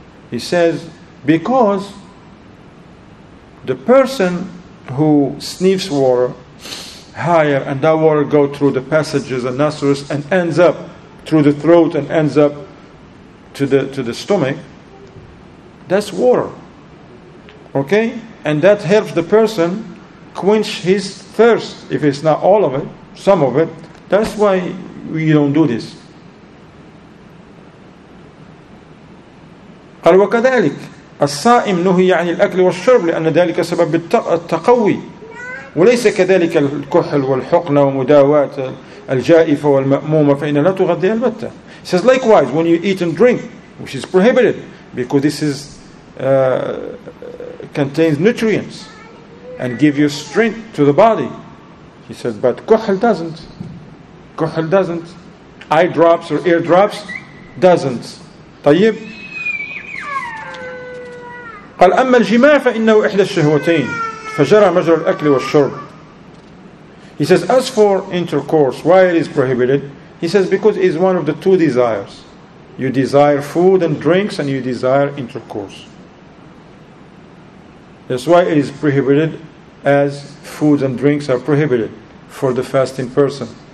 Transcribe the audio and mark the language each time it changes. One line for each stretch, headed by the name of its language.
English: He says, because the person who sniffs water higher, and that water goes through the passages and nostrils and ends up through the throat and ends up to the stomach, that's water. Okay? And that helps the person quench his thirst, if it's not all of it, some of it. That's why we don't do this.
Arabic: قال وكذلك الصائم نهي عن الأكل والشرب لأن ذلك سبب التقوي وليس كذلك الكحل والحقنة ومداوات الجائفة والمأمومة فإن لا تغذي البتة.
English: It says likewise when you eat and drink, which is prohibited because this is contains nutrients and give you strength to the body. He says, but kuhl doesn't. Kuhl doesn't. Eye drops or ear drops doesn't.
Arabic: طيب. قال أما الجماع فإنه إحدى الشهوتين فجرى مجرى الأكل والشرب.
English: He says, as for intercourse, why it is prohibited? He says, because it is one of the two desires. You desire food and drinks and you desire intercourse. That's why it is prohibited, as foods and drinks are prohibited for the fasting person.